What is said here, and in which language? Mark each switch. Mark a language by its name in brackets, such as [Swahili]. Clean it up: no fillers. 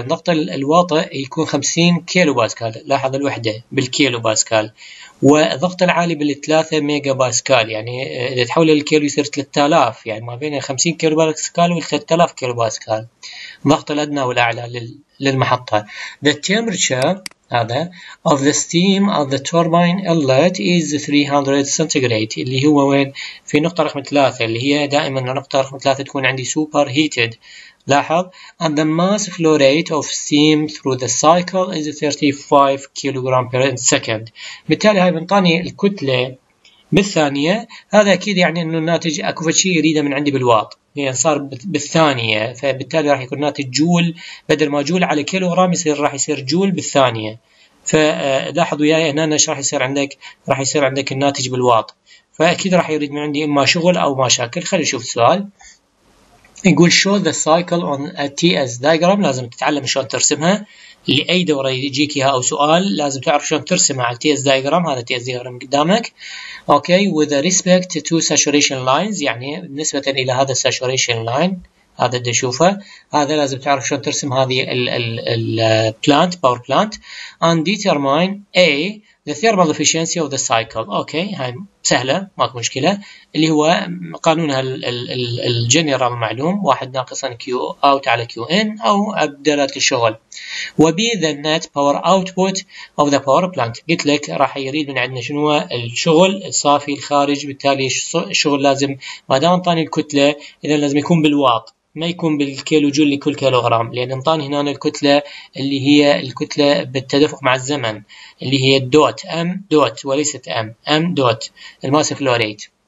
[Arabic] ضغط الواطئ يكون 50 كيلو باسكال، لاحظ الوحدة بالكيلو باسكال، والضغط العالي بالثلاثة ميجا باسكال، يعني اذا تحول الكيلو يصير 3000، يعني ما بين 50 كيلو باسكال و3000 كيلو باسكال الضغط الادنى والاعلى للمحطة. [English] The temperature [Arabic] هذا [English] of the steam of the turbine inlet is 300 centigrade، [Arabic] اللي هو وين؟ في نقطة رقم 3، اللي هي دائما نقطة رقم 3 تكون عندي super heated. لاحظ [English] and the mass flow rate of steam through the cycle is 35 kilogram per second. [Arabic] بالتالي هاي بنطاني الكتلة بالثانية، هذا أكيد يعني إنه الناتج أكو شيء يريده من عندي بالواط، يعني صار بالثانية، فبالتالي راح يكون ناتج جول، بدل ما جول على كيلو غرام يصير راح يصير جول بالثانية. فلاحظ وياي هنا ايش راح يصير عندك؟ راح يصير عندك الناتج بالواط، فأكيد راح يريد من عندي إما شغل أو مشاكل. خلينا نشوف السؤال. يقول [English] show the cycle on a TS diagram، [Arabic] لازم تتعلم شلون ترسمها، لأي دورة يجيك إياها أو سؤال لازم تعرف شلون ترسمها على TS diagram. هذا TS diagram قدامك، أوكي، [English] with respect to saturation lines، [Arabic] يعني بالنسبة إلى هذا saturation line، هذا بدي أشوفه، هذا لازم تعرف شلون ترسم هذه ال plant power plant [English] and determine A the thermal efficiency of the cycle. [Arabic] أوكي، هاي سهلة ماكو مشكلة، اللي هو قانونها الجنرال معلوم، واحد ناقصا كيو اوت على كيو ان او عبدلات الشغل، وبي ذا نت باور اوت بوت اوف ذا باور بلانت. قلت لك راح يريد من عندنا شنو الشغل الصافي الخارج، بالتالي الشغل لازم ما دام انطاني الكتلة اذا لازم يكون بالواط، ما يكون بالكيلو جول لكل كيلو غرام، لان انطاني هنا الكتلة اللي هي الكتلة بالتدفق مع الزمن، اللي هي الدوت ام دوت وليست ام ام دوت الماس فلو ريت.